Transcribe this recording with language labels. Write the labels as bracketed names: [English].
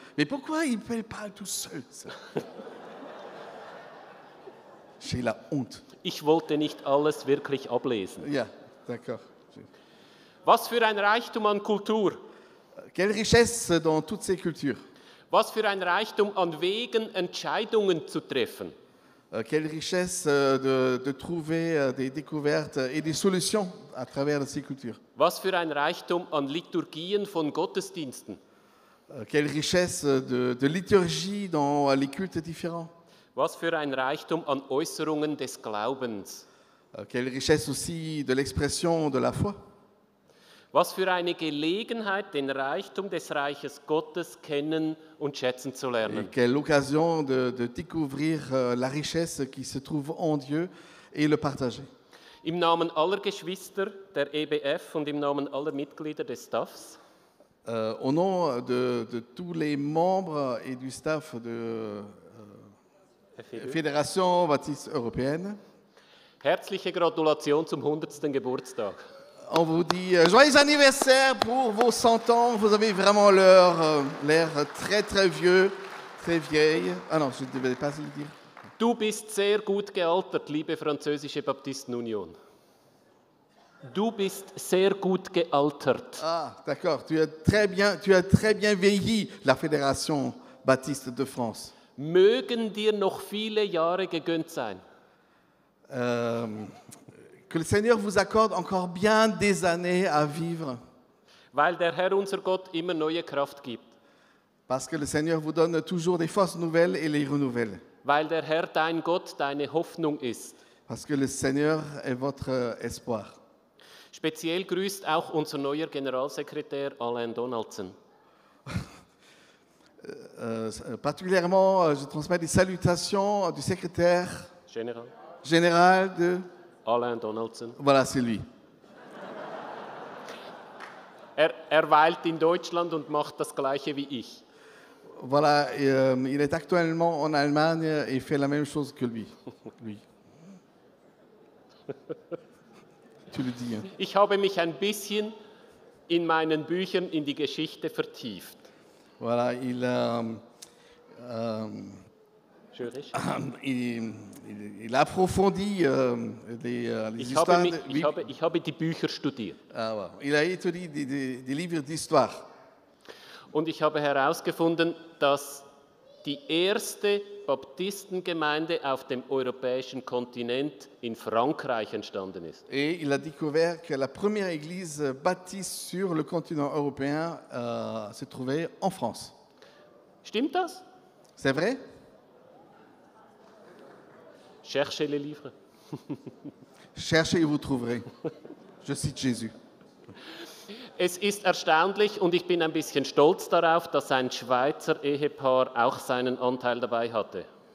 [French] Mais pourquoi il parle tout seul, ça? J'ai la honte. [German] Ich wollte nicht alles wirklich ablesen. Ja, yeah, d'accord. Was für ein Reichtum an Kultur. [French] Quelle richesse dans toutes ces cultures. [German] Was für ein Reichtum an Wegen, Entscheidungen zu treffen. [French] Quelle richesse de trouver des découvertes et des solutions à travers ces cultures. [German] Was für ein Reichtum an Liturgien von Gottesdiensten. [French] Quelle richesse de liturgie dans les cultes différents. [German] Was für ein Reichtum an Äußerungen des Glaubens. [French] Quelle richesse aussi de l'expression de la foi. [German] Was für eine Gelegenheit, den Reichtum des Reiches Gottes kennen und schätzen zu lernen. [French] Et quelle occasion de découvrir la richesse qui se trouve en Dieu et le partager. [German] Im Namen aller Geschwister der EBF und im Namen aller Mitglieder des Staffs. [French] Au nom de tous les membres et du staff de Fédération Baptiste Européenne. [German] Herzliche Gratulation zum 100. Geburtstag. [French] On vous dit joyeux anniversaire pour vos 100 ans. Vous avez vraiment l'air très très vieux, très vieille. Ah non, je ne devais pas le dire. [German] Du bist sehr gut gealtert, liebe französische Baptistenunion. Du bist sehr gut gealtert. [French] Ah, d'accord. Tu as très bien vieilli, la Fédération Baptiste de France. [German] Mögen dir noch viele Jahre gegönnt sein. [French] Que le Seigneur vous accorde encore bien des années à vivre. [German] Weil der Herr unser Gott immer neue Kraft gibt. [French] Parce que le Seigneur vous donne toujours des forces nouvelles et les renouvelle. [German] Weil der Herr dein Gott deine Hoffnung ist. [French] Parce que le Seigneur est votre espoir. [German] Speziell grüßt auch unser neuer Generalsekretär Alain Donaldson. [French] Particulièrement, je transmets des salutations du secrétaire général de Alain Donaldson. Voilà, c'est lui. [German] Er weilt in Deutschland und macht das gleiche wie ich. [French] Voilà, il est actuellement en Allemagne et fait la même chose que lui. Lui. Tu le dis. [German] Ich habe mich ein bisschen in meinen Büchern in die Geschichte vertieft. [French] Voilà, il approfondit les histoires. [German] Ich habe die Bücher studiert. Ah, wow. [French] Il a étudié des livres d'histoire. [German] Und ich habe herausgefunden, dass die erste Baptistengemeinde auf dem europäischen Kontinent in Frankreich entstanden ist. [French] Et il a découvert que la première église baptiste sur le continent européen se trouvait en France. [German] Stimmt das? [French] C'est vrai? Cherchez les livres. Cherchez et vous trouverez. Je cite Jésus. [German] Es ist erstaunlich und ich bin ein bisschen stolz darauf, dass ein Schweizer Ehepaar auch seinen Anteil dabei hatte.